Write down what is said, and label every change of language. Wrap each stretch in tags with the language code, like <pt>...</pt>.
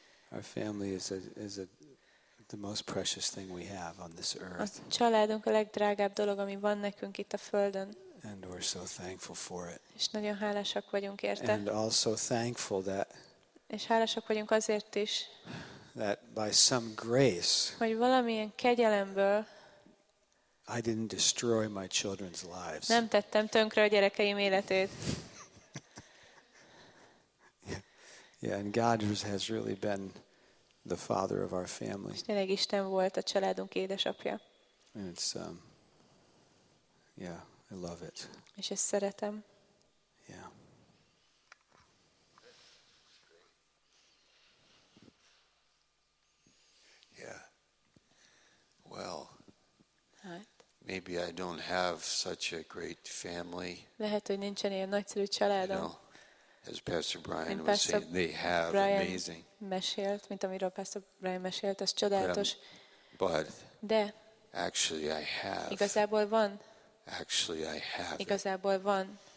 <en>Our family is the most precious thing we have on this earth.</en> <hu>A családunk a legdrágább dolog, ami van nekünk itt a földön.</hu> <en>And we're so thankful for it.</en> <hu>És nagyon hálásak vagyunk érte.</hu> <en>And also thankful that</en> <hu>és hálásak vagyunk azért is,</hu> <en>that by some grace,</en> <hu>hogy valamilyen kegyelemből</hu> <en>I didn't destroy my children's lives.</en> <hu>Nem tettem tönkre a gyerekeim életét.</hu> <en>Yeah, and God has really been the father of our family.</en> <hu>Tényleg Isten volt a családunk édesapja.</hu> <en>And it's, I love it.</en> <hu>És ezt szeretem. Yeah. Yeah.</hu> <en>Well, maybe I don't have such a great family.</en> <hu>Lehet, hogy nincsen ilyen nagyszerű családom.</hu> <en>As Pastor Brian was saying, they have Brian amazing.</en> <hu>Mesélt, mint amiről Pastor Brian mesélt, az csodálatos.</hu> <en>But</en> <hu>de</hu> <en>actually I have.</en> <hu>Igazából van.</hu> <en>Actually I have.</en> <hu>Igazából van.</hu>